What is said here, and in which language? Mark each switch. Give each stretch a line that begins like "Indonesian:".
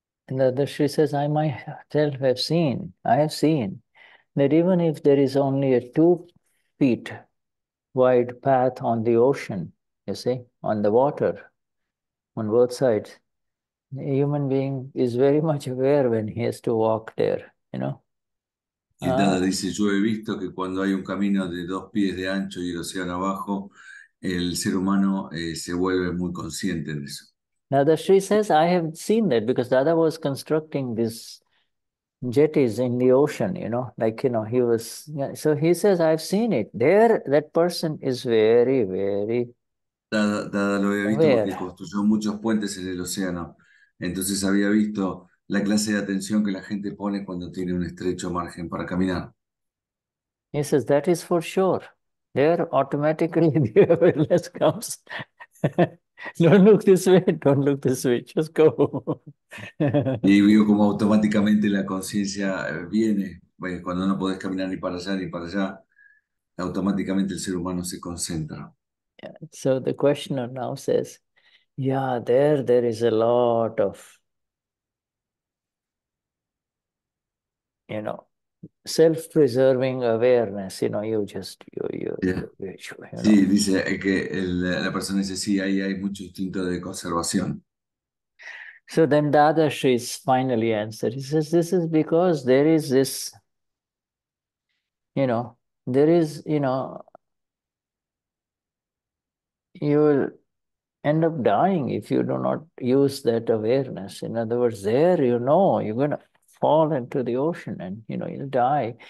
English: Dadashri says, I myself have seen, that even if there is only a 2 feet wide path on the ocean, you see, on the water, on both sides, a human being is very much aware when he has to walk there, you know.
Spanish: Y Dada dice, yo he visto que cuando hay un camino de 2 pies de ancho y el océano abajo, el ser humano se vuelve muy consciente de eso.
English: Dadashri says, I have seen that because Dada was constructing these jetties in the ocean, you know, like, you know, he was, yeah, so he says, I've seen it. There, that person is very, very
Spanish: Dada lo había visto
English: aware.
Spanish: Porque construyó muchos puentes en el océano. Entonces había visto la clase de atención que la gente pone cuando tiene un estrecho margen para caminar.
English: He says, that is for sure. There, automatically, the awareness comes. Don't look this way, don't look this way, just go.
Spanish: Y veo como automáticamente la conciencia viene. Bueno, cuando no podés caminar ni para allá ni para allá, automáticamente el ser humano se concentra.
English: So the questioner now says, yeah, there is a lot of, you know, self-preserving awareness, you know, you just, you
Spanish: Sí,
English: know.
Spanish: dice que la persona dice, sí, ahí hay mucho instinto de conservación.
English: So then Dadashri is finally answered. He says, this is because there is this, you know, there is, you know, you will end up dying if you do not use that awareness. In other words, there, you know, you're going to fall into the ocean and, you know, you'll die.